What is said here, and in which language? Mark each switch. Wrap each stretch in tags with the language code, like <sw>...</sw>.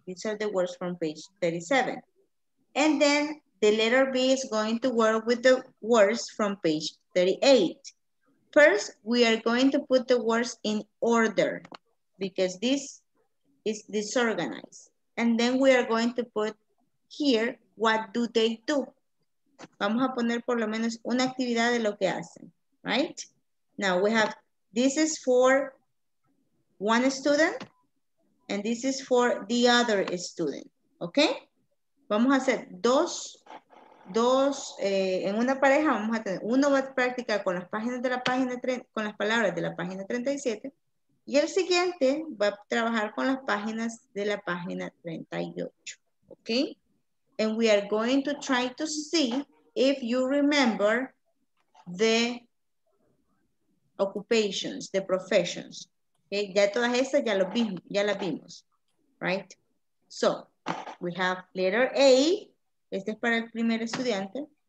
<en>These are the words from page 37. And then the letter B is going to work with the words from page 38. First, we are going to put the words in order because this is disorganized. And then we are going to put here, what do they do?</en> <es>Vamos a poner por lo menos una actividad de lo que hacen,</es> <en>right? Now we have, this is for one student, and this is for the other student, okay?</en> <es>Vamos a hacer dos, en una pareja vamos a tener, uno va a practicar con las palabras de la página 37, Y el siguiente va a trabajar con las páginas de la página 38. ¿Ok?</es> <en>And we are going to try to see if you remember the occupations, the professions. Okay,</en> <es>ya todas esas ya lo vimos, ya las vimos.</es> <en>Right? So, we have letter A.</en> <es>Este es para el primer estudiante.</es>